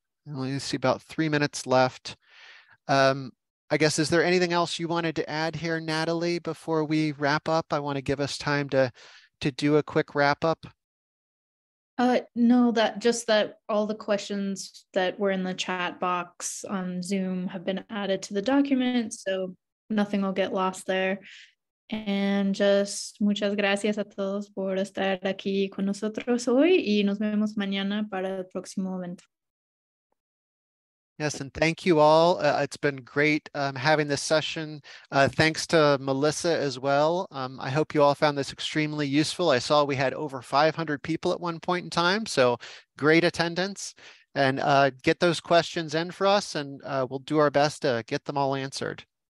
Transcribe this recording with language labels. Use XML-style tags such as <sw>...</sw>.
<en>Only see about 3 minutes left. I guess, is there anything else you wanted to add here, Natalie, before we wrap up? I want to give us time to do a quick wrap up. No, that just that all the questions that were in the chat box on Zoom have been added to the document, so nothing will get lost there. And just</en> <es>muchas gracias a todos por estar aquí con nosotros hoy y nos vemos mañana para el próximo evento.</es> <en>Yes, and thank you all. It's been great having this session. Thanks to Melissa as well. I hope you all found this extremely useful. I saw we had over 500 people at one point in time, so great attendance. And get those questions in for us, and we'll do our best to get them all answered.</en>